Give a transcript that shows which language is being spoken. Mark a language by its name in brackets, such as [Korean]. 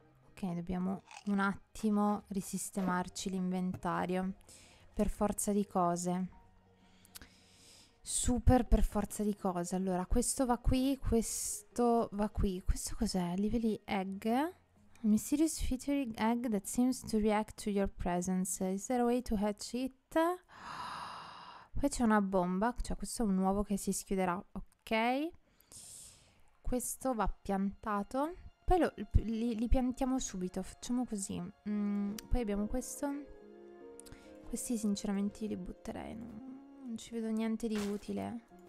[Italian] Ok, dobbiamo un attimo risistemarci l'inventario. Per forza di cose. Super per forza di cose. Allora, questo va qui, questo va qui. Questo cos'è? Livelli egg? [English] A mysterious featured egg that seems to react to your presence. Is there a way to hatch it? [Italian] Qui c'è una bomba. Cioè, questo è un uovo che si schiuderà. Ok. Questo va piantato. Poi li piantiamo subito. Facciamo così. Poi abbiamo questo. Questi sinceramente li butterei. Non ci vedo niente di utile.